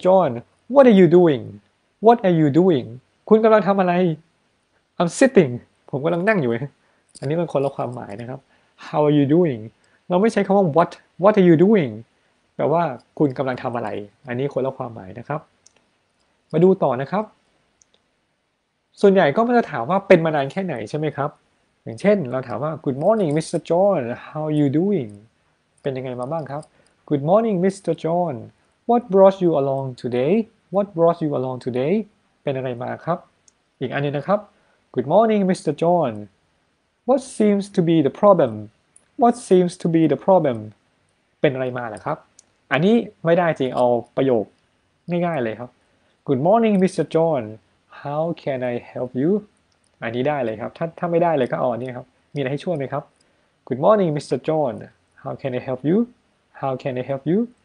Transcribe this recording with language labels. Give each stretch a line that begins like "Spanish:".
Thai: John
English: What are you doing What are you doing
Thai: คุณกำลังทำอะไร
English: I'm sitting
Thai: ผมกำลังนั่งอยู่อันนี้มันคนละความหมายนะครับ
English: How are you doing
Thai: เราไม่ใช้คำว่า
English: What are you doing
Thai: แปลว่าคุณกำลังทำอะไรอันนี้คนละความหมายนะครับมาดูต่อนะครับส่วนใหญ่ก็มันจะถามว่าเป็นมานานแค่ไหนใช่ไหมครับอย่างเช่นเราถามว่า
English: Good morning Mr. John How are you doing
Thai: เป็นยังไงมาบ้างครับ
English: Good morning, Mr. John. What brought you along today? What brought you along today?
Thai: เป็นอะไรมาครับอีกอันนึงนะครับ
English: Good morning, Mr. John. What seems to be the problem? What seems to be the problem?
Thai: เป็นอะไรมาล่ะครับอันนี้ไม่ได้จริงเอาประโยคง่ายๆเลยครับ
English: Good morning, Mr. John. How can I help you?
Thai: อันนี้ได้เลยครับถ้าไม่ได้เลยก็เอาอันนี้ครับมีอะไรให้ช่วยไหมครับ
English: Good morning, Mr. John. How can I help you?
Thai: How can I help you?